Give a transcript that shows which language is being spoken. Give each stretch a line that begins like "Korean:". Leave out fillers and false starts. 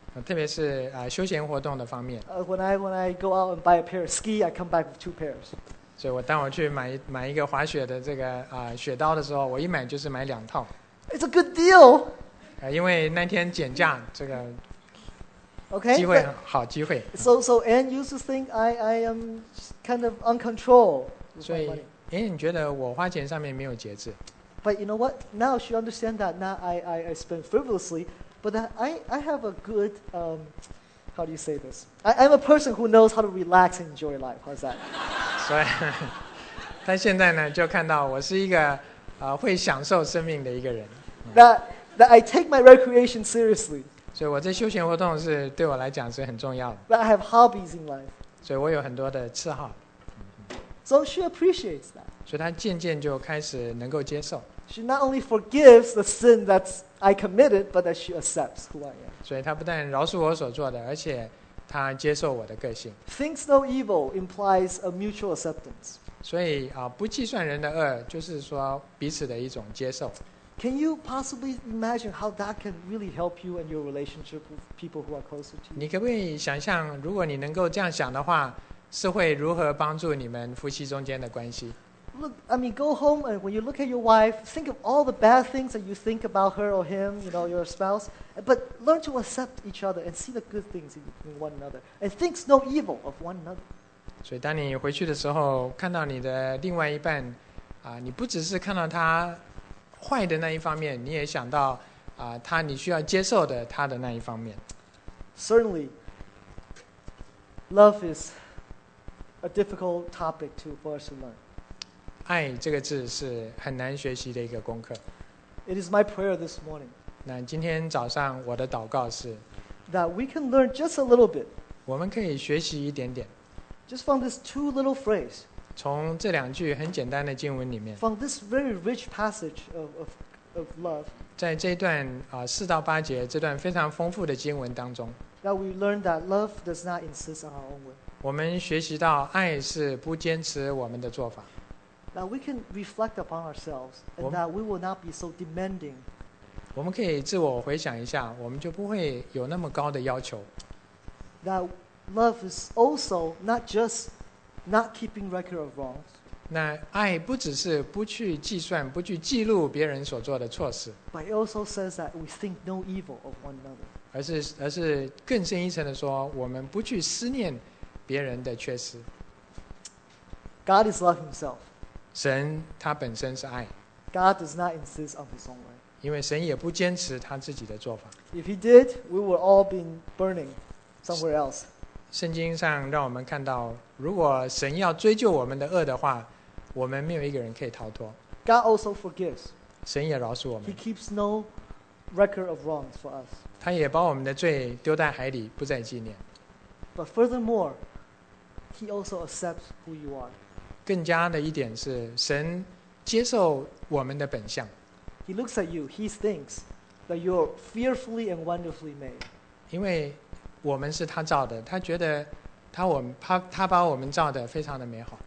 Chinese: 特别是休闲活动的方面。
English: When I go out and buy a pair of ski, I come back with two pairs.
Chinese: 所以我当我去买一个滑雪的这个雪刀的时候，我一买就是买两套。
English: It's a good deal.
Chinese: 因为那天减价，这个。
English: Okay,
Chinese: 机会好机会。
English: So Anne used to think I am kind of uncontrolled with my money.
Chinese: 所以 Anne 觉得我花钱上面没有节制。
English: But you know what? Now she understands that now I spend frivolously, but that I have a good how do you say this? I'm a person who knows how to relax and enjoy life. How's that?
Chinese: 所以，她现在呢就看到我是一个会享受生命的一个人。
English: That I take my recreation seriously.
Chinese: 所以我这休闲活动是对我来讲是很重要的。
English: But I have hobbies in life.
Chinese: 所以我有很多的嗜好。
English: So she appreciates that.
Chinese: 所以她渐渐就开始能够接受。
English: She not only forgives the sin that I committed, but that she accepts who I am.
Chinese: 所以她不但饶恕我所做的，而且她接受我的个性。
English: Thinks no evil implies a mutual acceptance.
Chinese: 所以不计算人的恶，就是说彼此的一种接受。
English: Can you possibly imagine how that can really help you and your relationship with people who are closer to you?
Chinese: 你可不可以想象，如果你能够这样想的话，是会如何帮助你们夫妻中间的关系？
English: Look, I mean, go home and when you look at your wife, think of all the bad things that you think about her or him, you know, your spouse. But learn to accept each other and see the good things in one another, and think no evil of one another.
Chinese: 所以，当你回去的时候，看到你的另外一半，你不只是看到他。坏的那一方面，你也想到他你需要接受的他的那一方面。
English: Certainly, love is a difficult topic for us to learn.
Chinese: 爱这个字是很难学习的一个功课。
English: It is my prayer this morning.
Chinese: 那今天早上我的祷告是
English: that we can learn just a little bit.
Chinese: 我们可以学习一点点。
English: Just from this two little phrase.
Chinese: 从这两句很简单的经文里面
English: From this very rich passage of love,
Chinese: 在这段四到八节这段非常丰富的经文当中
English: that we learn that love does not insist on our own way.
Chinese: 我们学习到爱是不坚持我们的做法
English: that we can reflect upon ourselves and that we will not be so demanding.
Chinese: 我们可以自我回想一下我们就不会有那么高的要求
English: that love is also not justNot keeping record of wrongs.
Chinese: 那爱不只是不去计算、不去记录别人所做的错事。
English: But it also says that we think no evil of one another.
Chinese: 而是更深一层的说，我们不去思念别人的缺失。
English: God is love himself.
Chinese: 神他本身是爱。
English: God does not insist on his own way.
Chinese: 因为神也不坚持他自己的做法。
English: If he did, we would all be burning somewhere else.
Chinese: 圣经上让我们看到。如果神要追究我们的恶的话，我们没有一个人可以逃脱。
English: God also forgives.
Chinese: 神也饶恕我们。
English: He keeps no record of wrongs for us.
Chinese: 他也把我们的罪丢在海里，不再纪念。
English: But furthermore, He also accepts who you are.
Chinese: 更加的一点是，神接受我们的本相。
English: He looks at you. He thinks that you're fearfully and wonderfully made.
Chinese: 因为我们是他造的，他觉得。他把我们造得非常的美好。